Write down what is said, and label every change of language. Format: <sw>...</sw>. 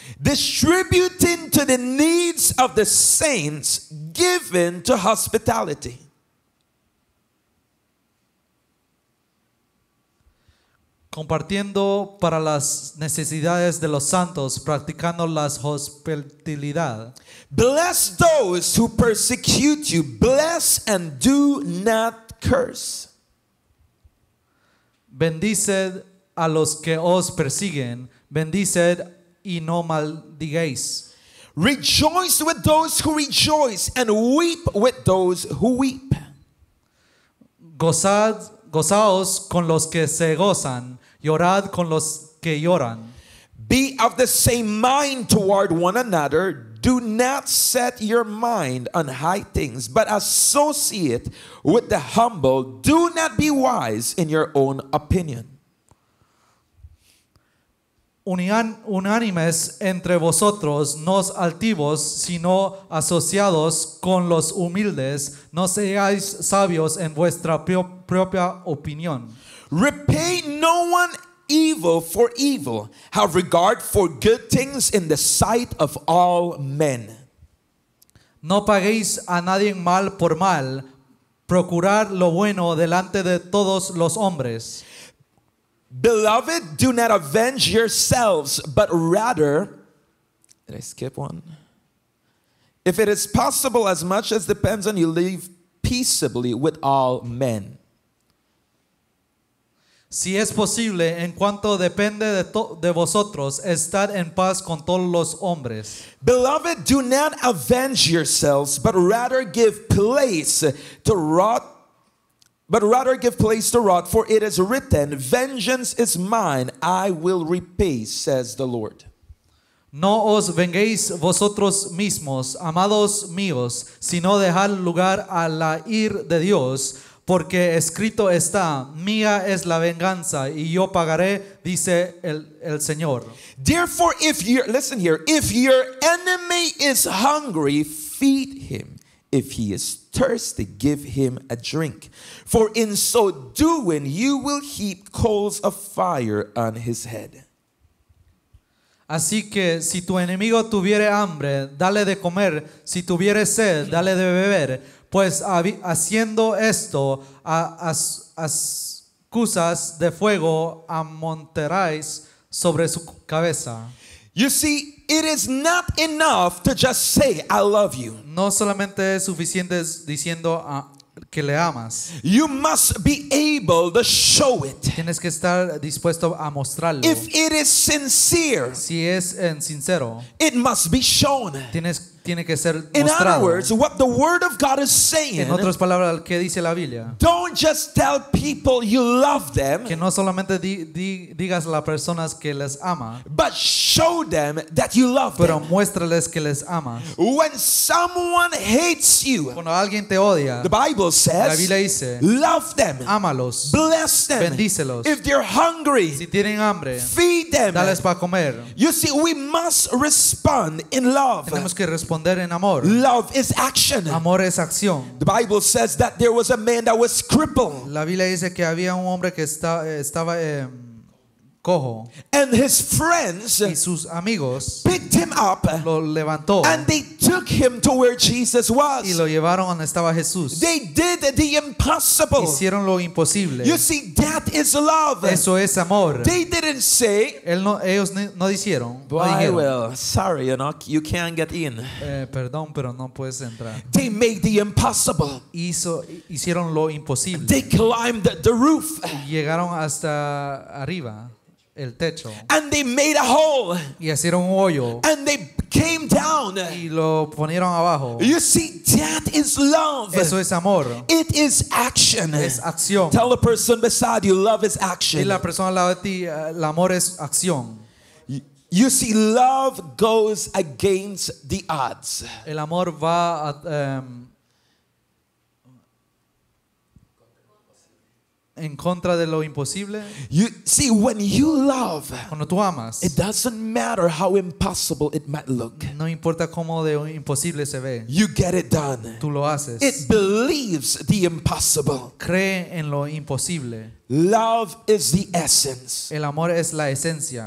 <en>Distributing to the needs of the saints, given to hospitality.</en> <es>Compartiendo para las necesidades de los santos, practicando la hospitalidad.</es> <en>Bless those who persecute you. Bless and do not curse.</en> <es>Bendiced a los que os persiguen, bendiced y no maldigáis.</es> <en>Rejoice with those who rejoice and weep with those who weep.</en> <es>Gozaos con los que se gozan, llorad con los que lloran.</es> <en>Be of the same mind toward one another. Do not set your mind on high things, but associate with the humble. Do not be wise in your own opinion.</en> <es>Unánimes entre vosotros, no altivos, sino asociados con los humildes. No seáis sabios en vuestra propia opinión.</es> <en>Repay no one evil for evil. Have regard for good things in the sight of all men.</en> <es>No paguéis a nadie mal por mal. Procurad lo bueno delante de todos los hombres.</es> <en>Beloved, do not avenge yourselves, but rather, did I skip one? If it is possible, as much as depends on you, live peaceably with all men.</en> <es>Si es posible, en cuanto depende de vosotros, estad en paz con todos los hombres.</es> <en>Beloved, do not avenge yourselves, but rather give place to wrath. But rather give place to wrath, for it is written, vengeance is mine, I will repay, says the Lord.</en> <es>No os venguéis vosotros mismos, amados míos, sino dejad lugar a la ira de Dios, porque escrito está, mía es la venganza, y yo pagaré, dice el Señor.</es> <en>Therefore, if your enemy is hungry, feed him. If he is thirsty, give him a drink. For in so doing, you will heap coals of fire on his head.</en> <es>Así que si tu enemigo tuviere hambre, dale de comer. Si tuviere sed, dale de beber. Pues haciendo esto, ascusas de fuego amontonaréis sobre su cabeza.</es> <en>You see, it is not enough to just say, I love you.</en> <es>No solamente es suficiente diciendo que le amas.</es> <en>You must be able to show it.</en> <es>Tienes que estar dispuesto a mostrarlo.</es> <en>If it is sincere,</en> <es>si es sincero,</es> <en>it must be shown.</en> <es>Tiene que ser</es> <en>in</en> <es>mostrado.</es> <en>Other words, what the word of God is saying,</en> <es>en otras palabras, ¿qué dice la Biblia?</es> <en>Don't just tell people you love them,</en> <es>que no solamente digas a las personas que les ama,</es> <en>but show them that you love</en> <es>pero</es> <en>them.</en> <es>Muéstrales que les ama.</es> <en>When someone hates you,</en> <es>cuando alguien te odia,</es> <en>the Bible says,</en> <es>la Biblia dice,</es> <en>love them,</en> <es>ámalos,</es> <en>bless them,</en> <es>bendícelos.</es> <en>If they're hungry,</en> <es>si tienen hambre,</es> <en>feed them,</en> <es>dales para comer.</es> <en>You see, we must respond in love.</en> <es>Tenemos que responder en amor.</es> <en>Love is action.</en> <es>Amor es acción.</es> <en>The Bible says that there was a man that was crippled.</en> <es>La Biblia dice que había un hombre que estaba cojo.</es> <en>And his friends</en> <es>y sus amigos</es> <en>picked him up,</en> <es>lo levantó,</es> <en>and they took him to where Jesus was.</en> <es>Y lo llevaron donde estaba Jesús.</es> <en>They did the impossible.</en> <es>Hicieron lo imposible.</es> <en>You see, that is love.</en> <es>Eso es amor.</es> <en>They didn't say,</en> <es>él no, ellos no dijeron,</es> <en>sorry, you know, you can't get in.</en> <es>Perdón, pero no puedes entrar.</es> <en>They made the impossible.</en> <es>Hicieron lo imposible.</es> <en>They climbed the roof.</en> <es>Llegaron hasta arriba. El techo.</es> <en>And they made a hole.</en> <es>Y hicieron un hoyo.</es> <en>And they came down.</en> <es>Y lo ponieron abajo.</es> <en>You see, that is love.</en> <es>Eso es amor.</es> <en>It is action.</en> <es>Es acción.</es> <en>Tell the person beside you, love is action.</en> <es>Y la persona al lado de ti, el amor es acción.</es> <en>You see, love goes against the odds.</en> <es>El amor va a, en contra de lo imposible.</es> <en>You see, when you love,</en> <es>cuando tú amas,</es> <en>it doesn't matter how impossible it might look.</en> <es>No importa cómo de imposible se ve.</es> <en>You get it done.</en> <es>Tú lo haces.</es> <en>It believes the impossible.</en> <es>Cree en lo imposible.</es> <en>Love is the essence.</en> <es>El amor es la esencia</es>